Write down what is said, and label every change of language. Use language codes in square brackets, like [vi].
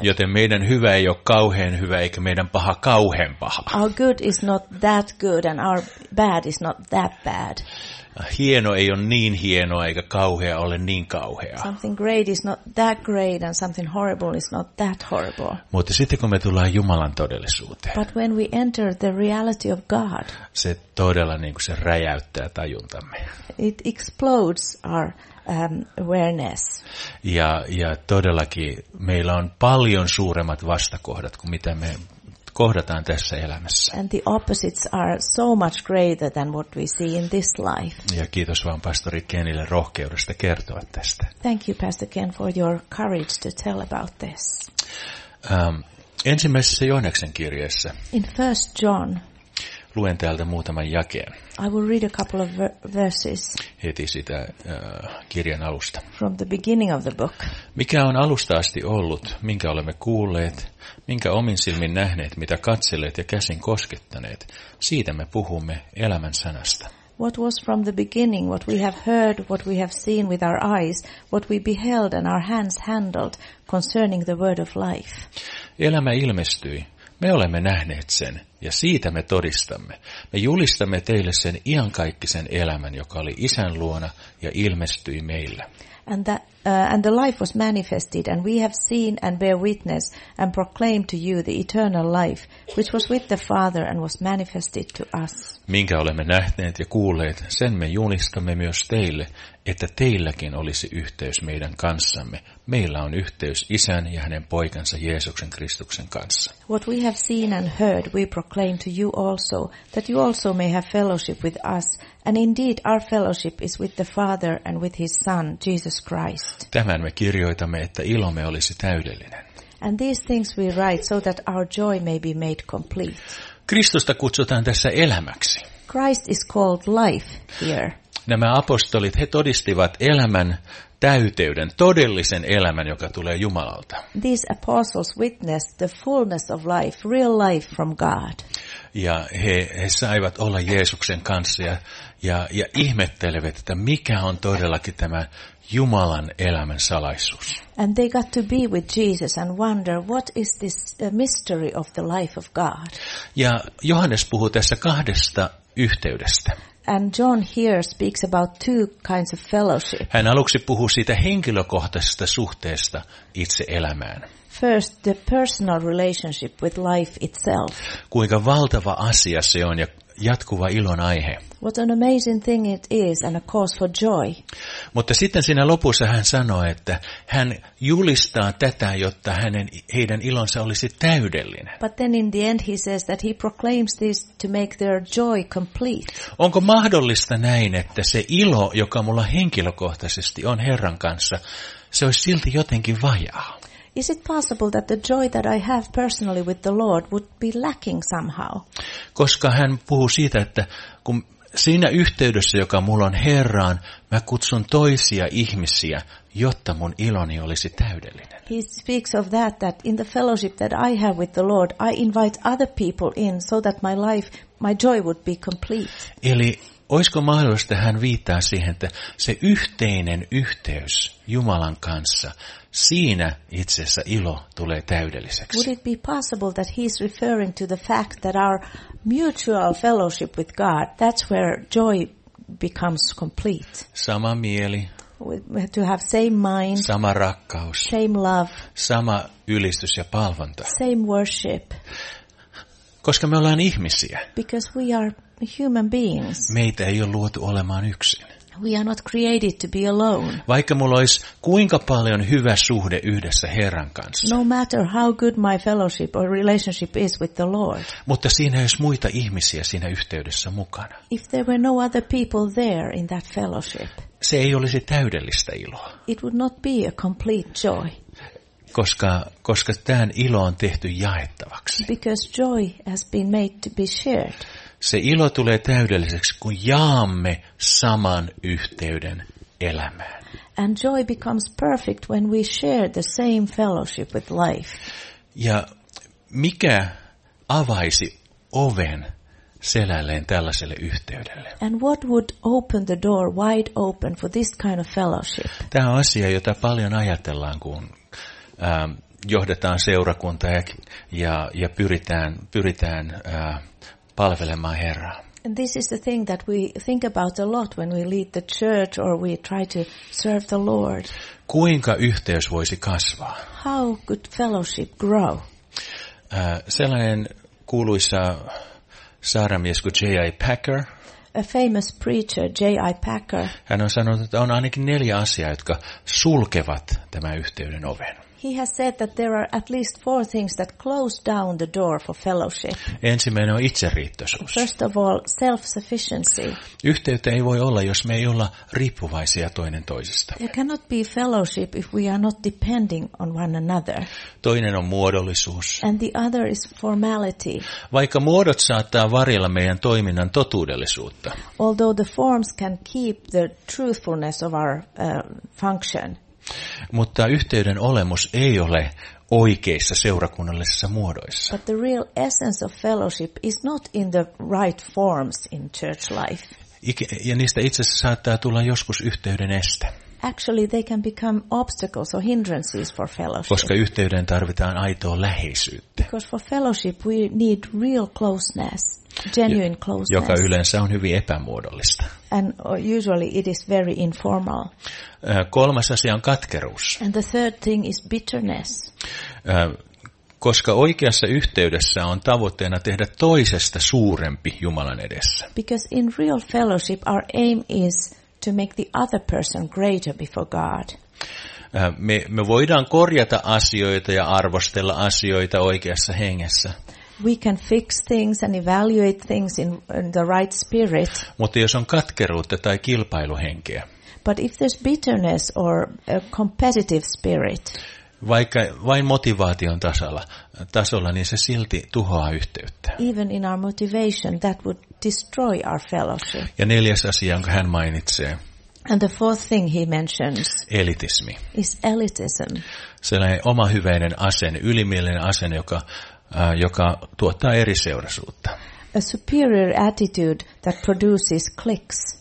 [fi] Joten meidän hyvä ei ole kauhean hyvä, eikä meidän paha kauhean paha. [en] Our good is not that good and our bad is not that bad. [fi] Hieno ei ole niin hienoa, eikä kauhea ole niin kauhea. [en] Something great is not that great and something horrible is not that horrible. [fi] Mutta sitten kun me tullaan Jumalan todellisuuteen. [en] But when we enter the reality of God. [fi] Se todella niin kuin se räjäyttää tajuntamme. [en] It explodes our awareness. [fi] Ja todellakin meillä on paljon suuremmat vastakohdat kuin mitä me kohdataan tässä elämässä. [en] And the opposites are so much greater than what we see in this life. [fi] Ja kiitos vaan pastori Kenille rohkeudesta kertoa tästä. [en] Thank you, Pastor Ken, for your courage to tell about this. [fi] Ensimmäisessä Johanneksen kirjeessä. [en] In First John. [fi] Luen täältä muutaman jakeen. [en] I will read a couple of verses. [fi] Heti sitä kirjan alusta. [en] From the beginning of the book. [fi] Mikä on alusta asti ollut, minkä olemme kuulleet, minkä omin silmin nähneet, mitä katselleet ja käsin koskettaneet, siitä me puhumme elämän sanasta. [en] What was from the beginning, what we have heard, what we have seen with our eyes, what we beheld and our hands handled concerning the word of life. [fi] Elämä ilmestyi. Me olemme nähneet sen, ja siitä me todistamme. Me julistamme teille sen iankaikkisen elämän, joka oli Isän luona ja ilmestyi meille. [en] And the life was manifested, and we have seen and bear witness and proclaim to you the eternal life, which was with the Father and was manifested to us. [fi] Minkä olemme nähneet ja kuulleet, sen me julistamme myös teille, että teilläkin olisi yhteys meidän kanssamme. Meillä on yhteys Isän ja hänen poikansa Jeesuksen Kristuksen kanssa. [en] What we have seen and heard, we proclaim to you also, that you also may have fellowship with us, and indeed our fellowship is with the Father and with his Son, Jesus Christ. [fi] Tämän me kirjoitamme, että ilomme olisi täydellinen. [en] And these things we write so that our joy may be made complete. [fi] Kristusta kutsutaan tässä elämäksi. [en] Christ is called life here. [fi] Nämä apostolit, he todistivat elämän täyteyden, todellisen elämän, joka tulee Jumalalta. [en] These apostles witnessed the fullness of life, real life from God. [fi] Ja he saivat olla Jeesuksen kanssa ja ihmettelevät, että mikä on todellakin tämä Jumalan elämän salaisuus. [en] And they got to be with Jesus and wonder what is this mystery of the life of God. [fi] Ja Johannes puhuu tässä kahdesta yhteydestä. [en] And John here speaks about two kinds of fellowship. [fi] Hän aluksi puhuu siitä henkilökohtaisesta suhteesta itse elämään. [en] First, the personal relationship with life itself. [fi] Kuinka valtava asia se on ja jatkuva ilon aihe. [en] What an amazing thing it is and a cause for joy. [fi] Mutta sitten siinä lopussa hän sanoi, että hän julistaa tätä, jotta hänen heidän ilonsa olisi täydellinen. [en] But then in the end he says that he proclaims this to make their joy complete. [fi] Onko mahdollista näin, että se ilo, joka mulla henkilökohtaisesti on Herran kanssa, se olisi silti jotenkin vajaa? [en] Is it possible that the joy that I have personally with the Lord would be lacking somehow? [fi] Koska hän puhuu siitä, että kun siinä yhteydessä, joka mulla on Herraan, mä kutsun toisia ihmisiä, jotta mun iloni olisi täydellinen. [en] He speaks of that in the fellowship that I have with the Lord, I invite other people in so that my life, my joy would be complete. [fi] Eli olisiko mahdollista, että hän viittaa siihen, että se yhteinen yhteys Jumalan kanssa, siinä itse asiassa ilo tulee täydelliseksi. [en] Would it be possible that he's referring to the fact that our mutual fellowship with God, that's where joy becomes complete? [fi] Sama mieli. [en] To have same mind. [fi] Sama rakkaus. [en] Same love. [fi] Sama ylistys ja palvonta. [en] Same worship. [fi] Koska me ollaan ihmisiä. [en] Because we are human beings. [fi] Meitä ei ole luotu olemaan yksin. [en] We are not created to be alone. [fi] Vaikka mulla olisi kuinka paljon hyvä suhde yhdessä Herran kanssa. [en] No matter how good my fellowship or relationship is with the Lord. [fi] Mutta siinä ei olisi muita ihmisiä siinä yhteydessä mukana. [en] If there were no other people there in that fellowship. [fi] Se ei olisi täydellistä iloa. [en] It would not be a complete joy. [fi] Koska tämän ilo on tehty jaettavaksi. [en] Because joy has been made to be shared. [fi] Se ilo tulee täydelliseksi, kun jaamme saman yhteyden elämään. [en] And joy becomes perfect when we share the same fellowship with life. [fi] Ja mikä avaisi oven selälleen tällaiselle yhteydelle? [en] And what would open the door wide open for this kind of fellowship? [fi] Tämä on asia, jota paljon ajatellaan, kun johdetaan seurakuntaa ja pyritään palvelemaan Herraa. [en] And this is the thing that we think about a lot when we lead the church or we try to serve the Lord. [fi] Kuinka yhteys voisi kasvaa? [en] How could fellowship grow? [fi] Sellainen kuuluisa saarnamies kuin J.I. Packer. [en] A famous preacher, J.I. Packer. [fi] Hän on sanonut, että on ainakin neljä asiaa, jotka sulkevat tämän yhteyden oven. [en] He has said that there are at least four things that close down the door for fellowship. [fi] Ensimmäinen on itseriittoisuus. [en] First of all, self-sufficiency. [fi] Yhteyttä ei voi olla, jos me ei olla riippuvaisia toinen toisista. [en] There cannot be fellowship if we are not depending on one another. [fi] Toinen on muodollisuus. [en] And the other is formality. [fi] Vaikka muodot saattaa varjella meidän toiminnan totuudellisuutta. [en] Although the forms can keep the truthfulness of our function. [fi] Mutta yhteyden olemus ei ole oikeissa seurakunnallisissa muodoissa. [en] But the real essence of fellowship is not in the right forms in church life. [fi] Ja niistä itse asiassa saattaa tulla joskus yhteyden este. [en] Actually they can become obstacles or hindrances for fellowship. [fi] Koska yhteyden tarvitaan aitoa läheisyyttä. [en] Because for fellowship we need real closeness, genuine closeness. [fi] Joka yleensä on hyvin epämuodollista. [en] And usually it is very informal. [fi] Kolmas asia on katkeruus. [en] And the third thing is bitterness. [fi] Koska oikeassa yhteydessä on tavoitteena tehdä toisesta suurempi Jumalan edessä. [en] Because in real fellowship our aim is to make the other person greater before God. [fi] Me voidaan korjata asioita ja arvostella asioita oikeassa hengessä. [en] We can fix things and evaluate things in the right spirit. [fi] Mutta jos on katkeruutta tai kilpailuhenkeä. [en] But if there's bitterness or a competitive spirit. [fi] Vaikka vain motivaation tasolla, niin se silti tuhoaa yhteyttä. [en] Even in our motivation, that would destroy our fellowship. [fi] Ja neljäs asia, jonka hän mainitsee. [en] And the fourth thing he mentions. [fi] Elitismi. [en] Is elitism. [fi] Sellainen oma hyväinen asenne, ylimielinen asenne, joka tuottaa eri seurasuutta. [en] A superior attitude that produces cliques.